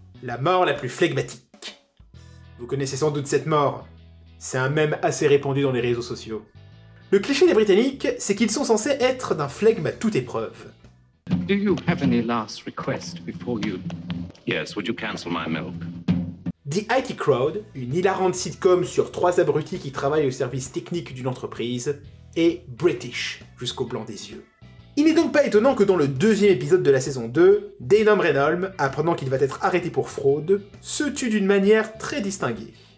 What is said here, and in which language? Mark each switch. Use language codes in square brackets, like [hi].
[fr] La mort la plus flegmatique. Vous connaissez sans doute cette mort. C'est un mème assez répandu dans les réseaux sociaux. Le cliché des Britanniques, c'est qu'ils sont censés être d'un flegme à toute épreuve. [en] Do you have any last request before you? Yes, would you cancel my milk? [fr] The IT Crowd, une hilarante sitcom sur trois abrutis qui travaillent au service technique d'une entreprise, est British jusqu'au blanc des yeux. Il n'est donc pas étonnant que dans le deuxième épisode de la saison 2, Denham Reynolds, apprenant qu'il va être arrêté pour fraude, se tue d'une manière très distinguée.